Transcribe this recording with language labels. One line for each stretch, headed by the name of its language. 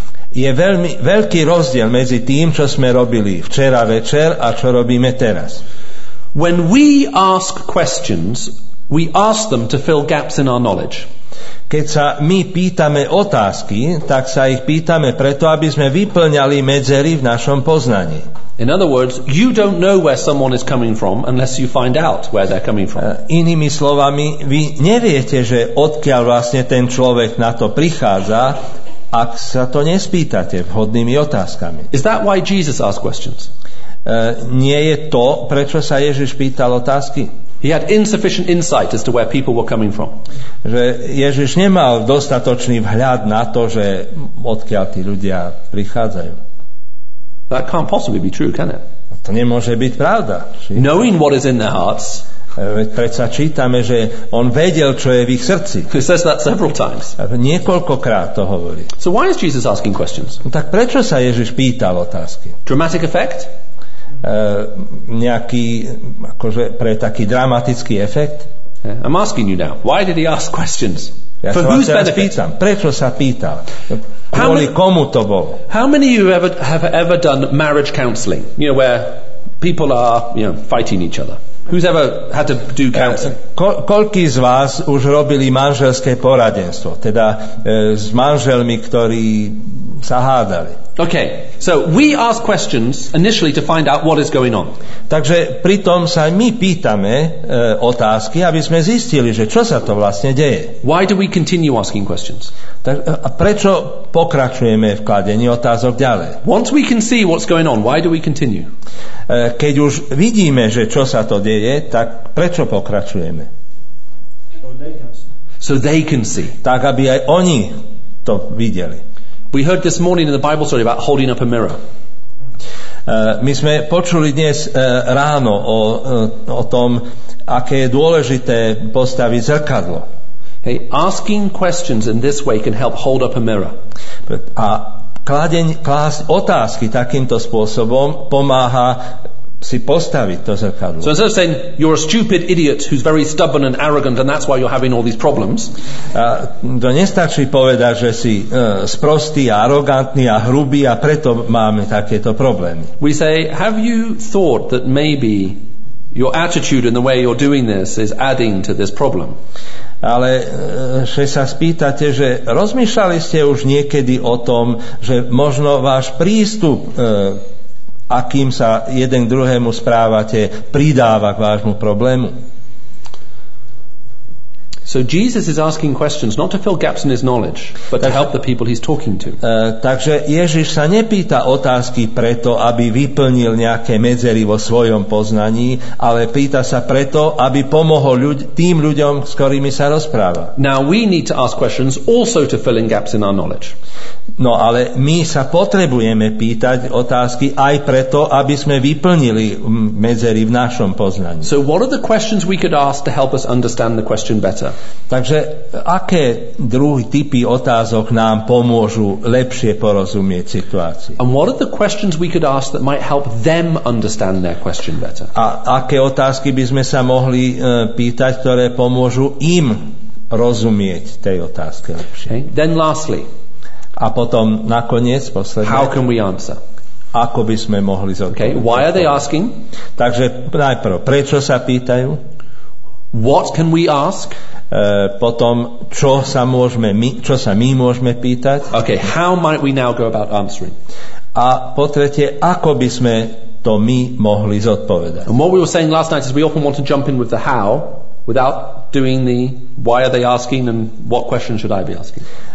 Slovak: Je veľmi veľký rozdiel medzi tým, čo sme robili včera večer a čo robíme teraz.
English: When we ask questions, we ask them to fill gaps in our knowledge.
Slovak: Keď sa my pýtame otázky, tak sa ich pýtame preto, aby sme vyplňali medzery v našom poznaní.
English: In other words, you don't know where someone is coming from unless you find out where they're coming from.
Slovak: Inými slovami, vy neviete, že odkiaľ vlastne ten človek na to prichádza, ak sa to nespýtate vhodnými otázkami.
English: Is that why Jesus asked questions?
Slovak: Nie je to, prečo sa Ježiš pýtal otázky?
English: He had insufficient insight as to where people were coming from.
Slovak: Že Ježiš nemal dostatočný vhľad na to, že odkiaľ tí ľudia prichádzajú.
English: That can't possibly be true, can it?
Slovak: To nemôže byť pravda.
English: Knowing what is in their hearts.
Slovak: Predsa čítame, že on vedel, čo je v ich srdci.
English: He says that several times.
Slovak: Niekoľkokrát to hovorí.
English: So why is Jesus asking questions?
Slovak: Tak prečo sa Ježiš pýtal otázky?
English: Dramatic effect?
Slovak: Nejaký akože pre taký dramatický efekt.
English: I'm asking you now, why did he ask questions?
Slovak: Ja
English: for whose benefit?
Slovak: Pýtam, prečo sa pýtal? Kvôli komu to bolo?
English: How many of you have ever done marriage counseling? You know, where people are, you know, fighting each other. Who's ever had to do counseling?
Slovak: Koľký z vás už robili manželské poradenstvo? Teda s manželmi, ktorí zahádali.
English: Okay, so we ask questions initially to find out what is going on.
Slovak: Takže pritom sa my pýtame otázky, aby sme zistili, že čo sa to vlastne deje.
English: Why do we continue asking questions?
Slovak: A prečo pokračujeme v kladení otázok ďalej?
English: Once we can see what's going on, why do we continue?
Slovak: Keď už vidíme, že čo sa to deje, tak prečo pokračujeme?
English: So they can see.
Slovak: Tak aby aj oni to videli.
English: We heard this morning in the Bible story about holding up a mirror.
Slovak: My sme počuli dnes ráno o tom, aké je dôležité postaviť zrkadlo.
English: Hey, asking questions in this way can help hold up a mirror.
Slovak: A klásť otázky takýmto spôsobom pomáha si postaviť to zrkadlo.
English: So instead of saying you're a stupid idiot who's very stubborn and arrogant and that's why you're having all these problems.
Slovak: To nestačí povedať, že si sprostý a arogantný a hrubý a preto máme takéto problémy.
English: We say, have you thought that maybe your attitude and the way you're doing this is adding to this problem?
Slovak: Ale že sa spýtate, že rozmýšľali ste už niekedy o tom, že možno váš prístup akým sa jeden druhému správate, pridáva k vášmu problému.
English: So Jesus is asking questions not to fill gaps in his knowledge, but to help the people he's talking to.
Slovak: Takže Ježiš sa nepýta otázky preto, aby vyplnil nejaké medzery vo svojom poznaní, ale pýta sa preto, aby pomohol tým ľuďom, s ktorými sa rozpráva.
English: Now we need to ask questions also to fill in gaps in our knowledge.
Slovak: No ale my sa potrebujeme pýtať otázky aj preto, aby sme vyplnili medzery v našom poznaní.
English: So what are the questions we could ask to help us understand the question better?
Slovak: Takže aké druhé typy otázok nám pomôžu lepšie porozumieť situácii?
English: And what are the questions we could ask that might help them understand their question better?
Slovak: A aké otázky by sme sa mohli pýtať, ktoré pomôžu im rozumieť tej otázke lepšie?
English: Okay. Then lastly,
Slovak: a potom nakoniec posledne,
English: how can we answer?
Slovak: Ako by sme mohli zodpovedať?
English: Okay. Why are they asking?
Slovak: Takže najprv, prečo sa pýtajú?
English: What can we ask?
Slovak: Potom čo sa my môžeme pýtať?
English: Okay, how might we now go about answering?
Slovak: A po tretie, ako by sme to my mohli zodpovedať?
English: And what we were saying last night is we often want to jump in with the how without doing the why are they asking and what question should I be asking?